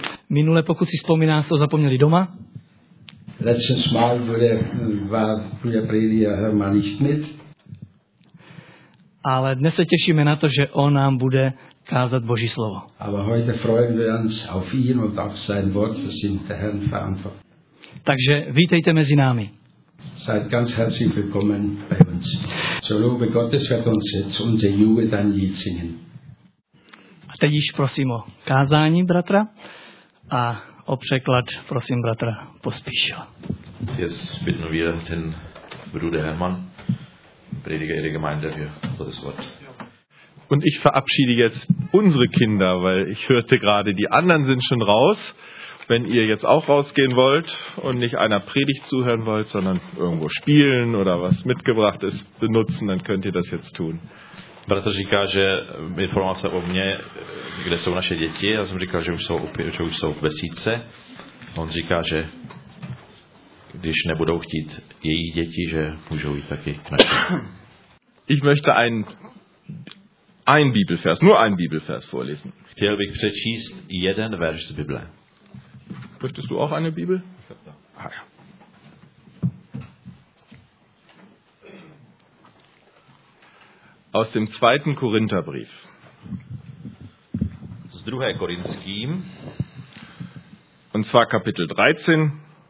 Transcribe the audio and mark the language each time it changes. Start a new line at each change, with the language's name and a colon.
Czech: Minule, pokud si vzpomínáte, jste ho zapomněli doma.
German: Letztes Mal war Prediger Hermann nicht mit.
Czech: Ale dnes se těšíme na to, že on nám bude kázat Boží slovo.
German: Aber heute freuen wir uns auf ihn und auf sein Wort, das ihm der Herr verantwortet.
Czech: Takže vítejte mezi námi.
German: Seid ganz herzlich willkommen bei uns. So lobe Gottes wird uns jetzt unser Jube dann Lied singen.
Czech: A teď již prosím o kázání bratra a o překlad prosím bratra Pospíšil.
German: Jetzt bitten wir den Bruder Hermann, Prediger der Gemeinde, für das Wort. Und ich verabschiede jetzt unsere Kinder, weil ich hörte gerade, die anderen sind schon raus. Wenn ihr jetzt auch rausgehen wollt und nicht einer Predigt zuhören wollt, sondern irgendwo spielen oder was mitgebracht ist, benutzen, dann könnt ihr das jetzt tun.
Czech: Bratr říká, že informoval se o mně, kde jsou naše děti. Já jsem říkal, že už jsou v besídce. On říká, že když nebudou chtít její děti, že můžou jít taky k naši.
German: Ich möchte ein Bibelvers, nur ein Bibelvers vorlesen.
Czech: Chtěl bych přečíst jeden verš z Bible.
German: Möchtest du auch eine Bibel? Aus dem 2. Korintherbrief.
Czech: Z 2. Korinským.
German: Und zwar Kapitel 13.